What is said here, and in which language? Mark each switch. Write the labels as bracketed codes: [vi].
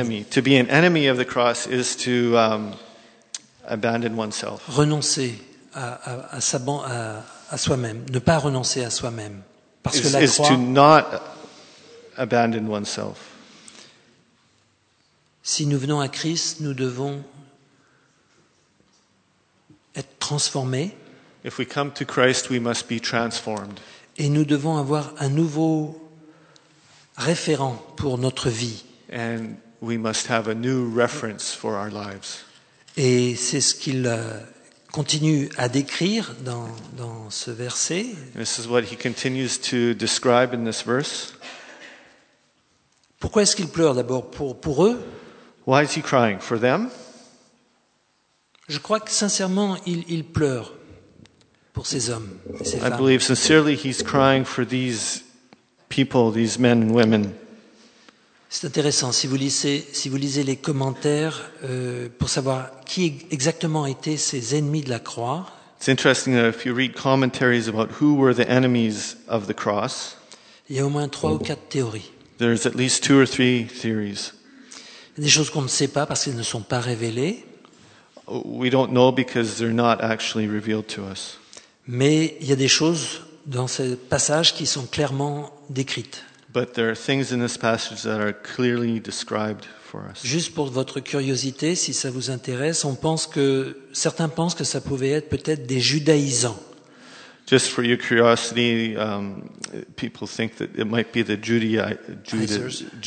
[en] To be an enemy of the cross is to abandon oneself. [fr] Renoncer à soi-même, ne pas renoncer à soi-même, parce que la [en] croix. Is to not abandon oneself. [fr] Si nous venons à Christ, nous devons être transformés. [en] If we come to Christ, we must be transformed. [fr] Et nous devons avoir un nouveau référent pour notre vie. [en] And we must have a new reference for our lives. [fr] Et c'est ce qu'il continue à décrire dans ce verset. [en] This is what he continues to describe in this verse. [fr] Pourquoi est-ce qu'il pleure d'abord pour eux? [en] Why is he crying for them? [fr] Je crois que sincèrement il pleure pour ces hommes, ces femmes. [en] I believe sincerely he's crying for these people, these men and women. [fr] C'est intéressant si vous lisez les commentaires pour savoir qui exactement étaient ces ennemis de la croix. [en] It's interesting if you read commentaries about who were the enemies of the cross. [fr] Il y a au moins 3 ou 4 théories. [en] There's at least 2 or 3 theories. [fr] Des choses qu'on ne sait pas parce qu'elles ne sont pas révélées. [en] We don't know because they're not actually revealed to us. [fr] Mais il y a des choses dans ce passage qui sont clairement décrites. [en] But there are things in this passage that are clearly described for us. [fr] Juste pour votre curiosité, si ça vous intéresse, certains pensent que ça pouvait être peut-être des judaïsants. [en] Just for your curiosity, people think that it might be the Judaizers.